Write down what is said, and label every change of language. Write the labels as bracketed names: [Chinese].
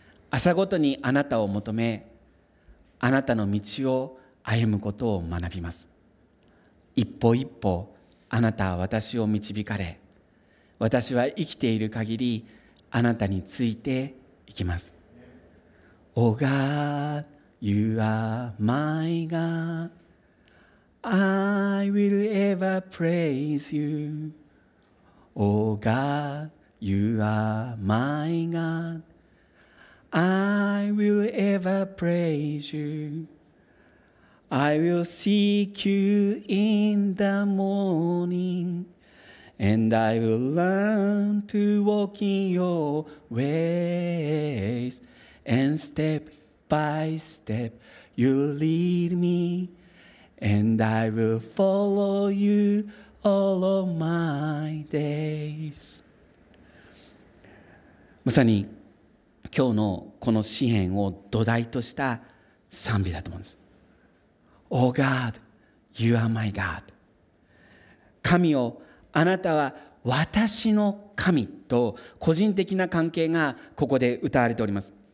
[Japanese] 朝ごとにあなたを求め、あなたの道を歩むことを学びます。一歩一歩あなたは私を導かれ、私は生きている限りあなたについていきます。 [English] Oh God, you are my God, I will ever praise you. Oh God, you are my God, I will ever praise you. I will seek you in the morning, and I will learn to walk in your ways, and step by step you lead me, and I will follow you all of my days. [Japanese] まさに今日のこの詩編を土台とした賛美だと思うんです。 [English] Oh God, you are my God. [Japanese] 神よ、あなたは私の神と個人的な関係がここで歌われております。